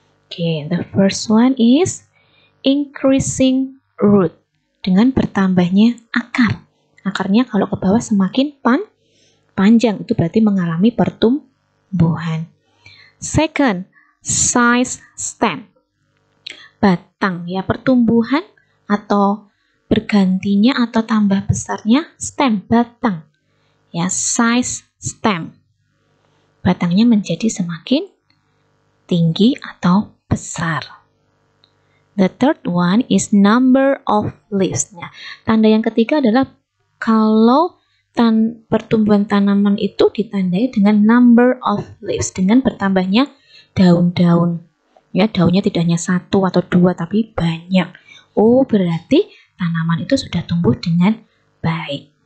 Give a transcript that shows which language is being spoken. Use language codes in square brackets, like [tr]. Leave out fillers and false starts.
[en] Okay, the first one is increasing root. [id] Dengan bertambahnya akar. Akarnya kalau ke bawah semakin panjang. Itu berarti mengalami pertumbuhan. [en] Second, size stem. [id] Batang ya, pertumbuhan atau bergantinya atau tambah besarnya stem, batang. Ya, size stem. Batangnya menjadi semakin tinggi atau besar. [en] The third one is number of leaves. [id] Nah, tanda yang ketiga adalah kalau pertumbuhan tanaman itu ditandai dengan [en] number of leaves. [id] Dengan bertambahnya daun-daun. Ya, daunnya tidak hanya satu atau dua, tapi banyak. Oh, berarti tanaman itu sudah tumbuh dengan baik.